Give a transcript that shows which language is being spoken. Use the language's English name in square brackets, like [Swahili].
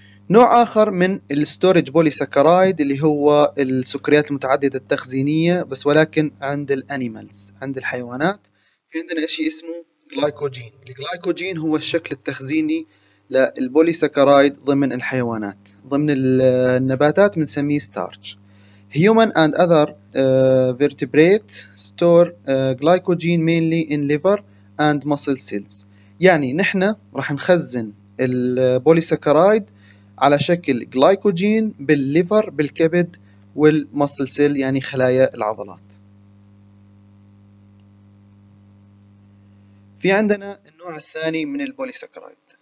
[Arabic] نوع آخر من الستورج بوليساكرايد اللي هو السكريات المتعددة التخزينية، بس ولكن عند الأنيمالز، عند الحيوانات. في عندنا شيء اسمه جلايكوجين، الجلايكوجين هو الشكل التخزيني للبوليساكرايد ضمن الحيوانات، ضمن النباتات بنسميه ستارتش. [English] Human and other vertebrates store glycogen mainly in liver and muscle cells. [Arabic] يعني نحن راح نخزن البوليسكرايد على شكل glycogen بالليفر بالكبد والمسل سيل، يعني خلايا العضلات. في عندنا النوع الثاني من البوليسكرايد.